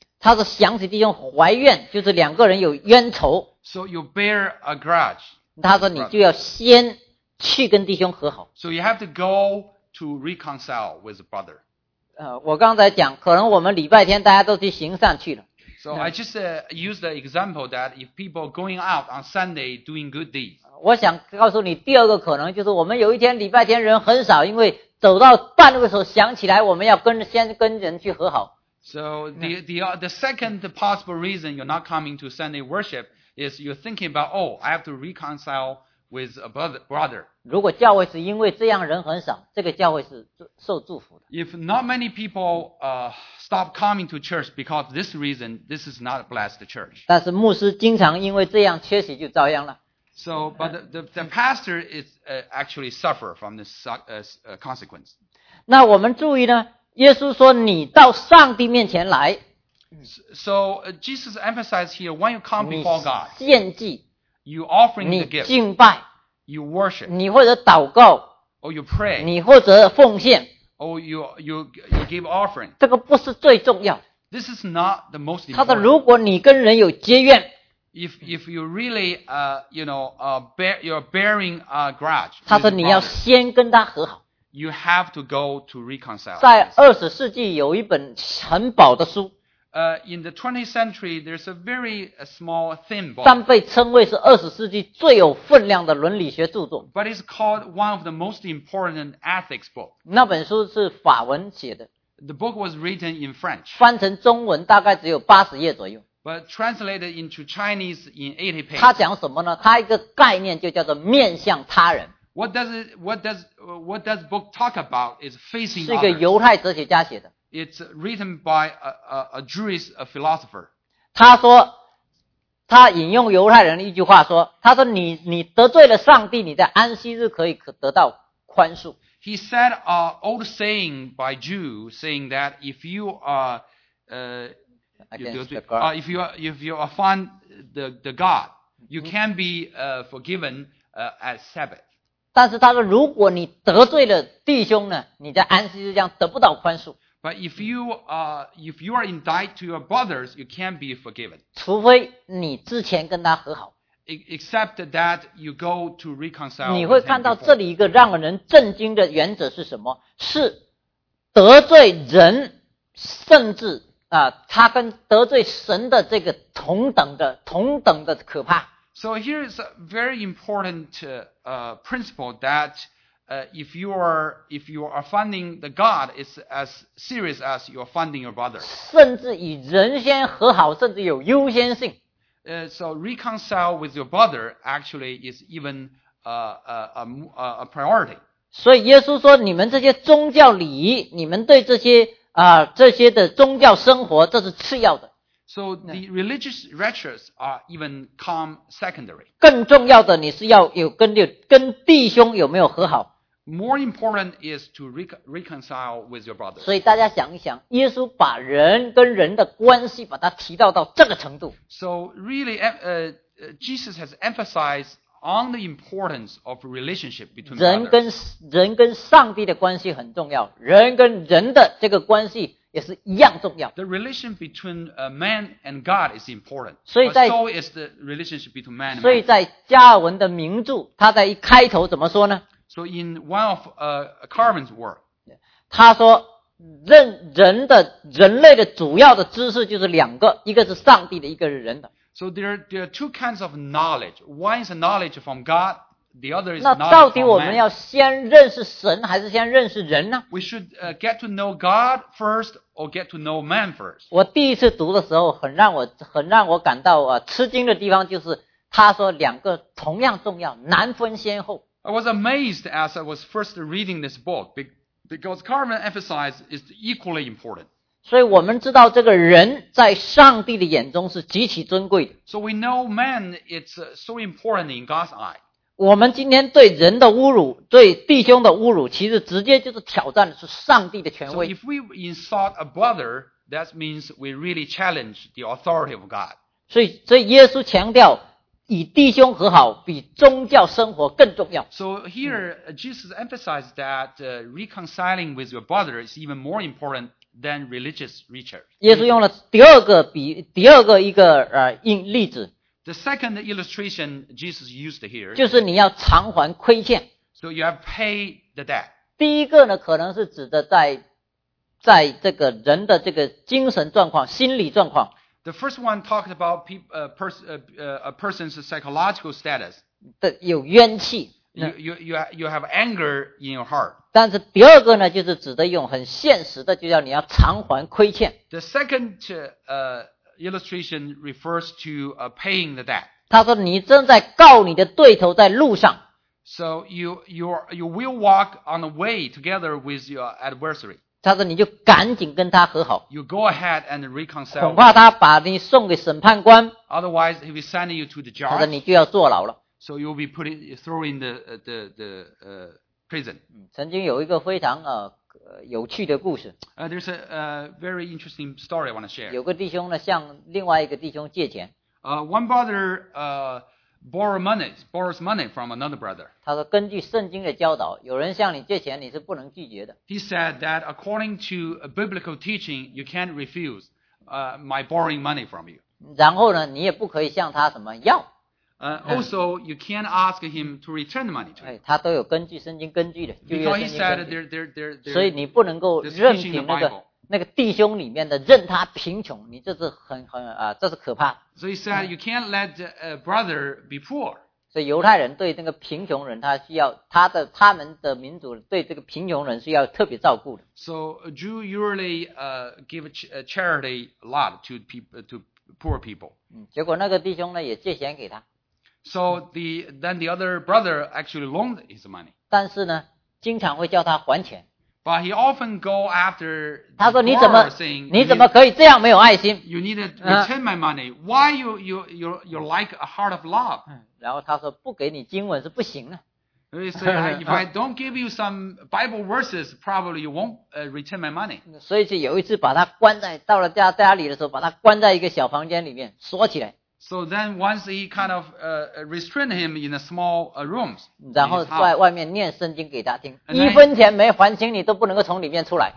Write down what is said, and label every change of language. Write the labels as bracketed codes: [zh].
[zh] 他是想起弟兄怀怨，就是两个人有冤仇。 [en] So you bear a grudge. [zh] 他说你就要先去跟弟兄和好。 [en] So you have to go to reconcile with a brother. [zh] 我刚才讲，可能我们礼拜天大家都去行善去了。 [en] So I just use the example that if people going out on Sunday doing good deeds. [zh] 我想告诉你第二个可能就是我们有一天礼拜天人很少因为走到半路的时候想起来我们要先跟人去和好。 [en] So the second possible reason you're not coming to Sunday worship is you're thinking about, oh, I have to reconcile with a brother. [zh] 如果教会是因为这样人很少，这个教会是受祝福的。 [en] If not many people stop coming to church because of this reason, this is not a blessed church. [zh] 但是牧师经常因为这样缺席就遭殃了。 [en] So, but the pastor is actually suffer from this consequence. [zh] 那我们注意呢，耶稣说你到上帝面前来。 [en] So, Jesus emphasized here, when you come before God, [zh] 你献祭， [en] you offering the gift, [zh] 你敬拜， [en] you worship, [zh] 你或者祷告， [en] or you pray, [zh] 你或者奉献， [en] or you give offering. [zh] 这个不是最重要。 [en] This is not the most important. [zh] 他说如果你跟人有结怨， [en] If you really, you know, you're bearing a grudge. [zh] 他说你要先跟他和好。 [en] You have to go to reconcile. [zh] 在二十世纪有一本很薄的书。 [en] In the 20th century, there's a very small, thin book. [zh] 但被称为是二十世纪最有分量的伦理学著作。 [en] But it's called one of the most important ethics book. [zh] 那本书是法文写的。 [en] The book was written in French. [zh] 翻成中文大概只有80页左右。 [en] But translated into Chinese in 80 pages. [zh] 他讲什么呢？他一个概念就叫做面向他人。 [en] What does book talk about is facing others. [zh] 是一个犹太哲学家写的。 [en] It's written by a Jewish philosopher. [zh] 他说，他引用犹太人的一句话说，他说你得罪了上帝，你在安息日可得到宽恕。 [en] He said an old saying by Jew saying that if you are if you offend the God, you can be forgiven at Sabbath. [zh] 但是他说，如果你得罪了弟兄呢，你在安息日将得不到宽恕。 [en] But if you are indebted to your brothers, you can't be forgiven. [zh] 除非你之前跟他和好。 [en] Except that you go to reconcile. [zh] 你会看到这里一个让人震惊的原则是什么？是得罪人，甚至。他跟得罪神的这个同等的可怕。 [en] So here is a very important principle that if you are offending the God, it's as serious as you're offending your brother. [zh] 甚至与人先和好，甚至有优先性。 [en] So reconcile with your brother actually is even a priority. [zh] 所以耶稣说，你们这些宗教礼仪，你们对这些。这些的宗教生活，这是次要的。 [en] So the religious rituals are even come secondary. [zh] 更重要的，你是要有跟弟兄有没有和好。 [en] More important is to reconcile with your brother. [zh] 所以大家想一想，耶稣把人跟人的关系把它提到到这个程度。 [en] So really, Jesus has emphasized on the importance of relationship between others. [zh] 人跟上帝的关系很重要，人跟人的这个关系也是一样重要。 [en] The relation between a man and God is important. [zh] 所以在 [en] so is the relationship between man and man. [zh] 所以在加尔文的名著，他在一开头怎么说呢？ [en] So in one of Calvin's work, [zh] 他说人类的主要的知识就是两个，一个是上帝的，一个是人的。 [en] So there are two kinds of knowledge. One is knowledge from God, the other is knowledge from man. [zh] 那到底我们要先认识神还是先认识人呢？ [en] We should get to know God first or get to know man first. [zh] 我第一次读的时候很让我感到吃惊的地方就是他说两个同样重要，难分先后。 [en] I was amazed as I was first reading this book because Carmen emphasized it's equally important. [zh] 所以我们知道这个人在上帝的眼中是极其尊贵的。 [en] So we know man is so important in God's eye. [zh] 我们今天对人的侮辱，对弟兄的侮辱，其实直接就是挑战的是上帝的权威。 [en] So if we insult a brother, that means we really challenge the authority of God. [zh] 所以耶稣强调与弟兄和好比宗教生活更重要。 [en] So here, Jesus emphasized that reconciling with your brother is even more important than religious rituals. [zh] 耶稣用了第二个例子。 [en] The second illustration Jesus used here. [zh] 就是你要偿还亏欠。 [en] So you have paid the debt. [zh] 第一个呢可能是指的在这个人的这个精神状况，心理状况。 [en] The first one talked about a person's psychological status. [zh] 有怨气。 [en] You have anger in your heart. [zh] 但是第二个呢，就是指的用很现实的，就叫你要偿还亏欠。 [en] The second illustration refers to paying the debt. [zh] 他说你正在告你的对头在路上。 [en] So you will walk on the way together with your adversary. [zh] 他说你就赶紧跟他和好。 [en] You go ahead and reconcile. [zh] 恐怕他把你送给审判官。 [en] Otherwise he will send you to the judge. [zh] 他说你就要坐牢了。 [en] So you will be put in, thrown in the prison. [zh] 曾经有一个非常有趣的故事。 [en] There's a very interesting story I want to share. [zh] 有个弟兄呢向另外一个弟兄借钱。 [en] One brother borrows money from another brother. [zh] 他说根据圣经的教导，有人向你借钱，你是不能拒绝的。 [en] He said that according to a biblical teaching, you can't refuse my borrowing money from you. [zh] 然后呢，你也不可以向他什么要。 [en] Also, you can't ask him to return the money to him. [zh] 他都有根据圣经根据的。 [en] Because he said they're [zh] 所以你不能够任凭那个。那个弟兄里面的任他贫穷，你这是很这是可怕的。 [en] So he said you can't let a brother be poor. [zh] 所以犹太人对那个贫穷人，他需要他们的民族对这个贫穷人是要特别照顾的。 [en] So Jews usually give charity a lot to poor people. [zh] 结果那个弟兄呢也借钱给他。 [en] So the other brother actually loaned his money. [zh] 但是呢，经常会叫他还钱。 [en] But he often go after the borrower saying, [zh] 你怎么可以这样没有爱心? [en] You need to return my money. Why you like a heart of love? [zh] 然后他说不给你经文是不行的。 [en] He said, if I don't give you some Bible verses, probably you won't return my money. [zh] 所以就有一次把他关在到了家里的时候把他关在一个小房间里面锁起来。 [en] So then once he kind of restrained him in a small room. [zh] 然后在外面念圣经给他听。一分钱没还清你都不能够从里面出来。